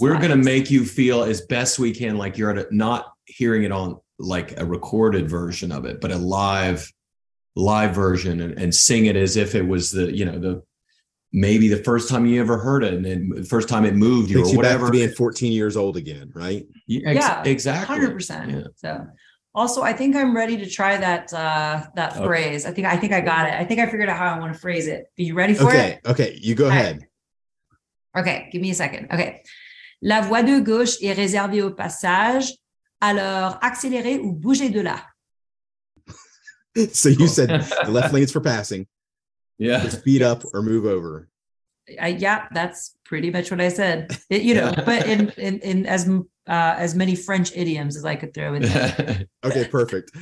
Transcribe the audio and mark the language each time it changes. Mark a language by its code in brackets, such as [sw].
[en] lives. We're going to make you feel as best we can like you're not hearing it on like a recorded version of it, but a live version, and sing it as if it was maybe the first time you ever heard it, and then first time it moved you or whatever. Being 14 years old again, right? Yeah, exactly. 100%. So, Also, I think I'm ready to try that that okay. phrase. I think I got it. I think I figured out how I want to phrase it. Are you ready for okay. it? Okay, you go ahead. Okay, give me a second. Okay. [fr] La voie de gauche est réservée au passage. Alors, accélérez ou bougez de là. [en] So you said the left lane is for passing. Yeah. Speed up or move over. Yeah, that's pretty much what I said. But in as many French idioms as I could throw in there. Okay, perfect.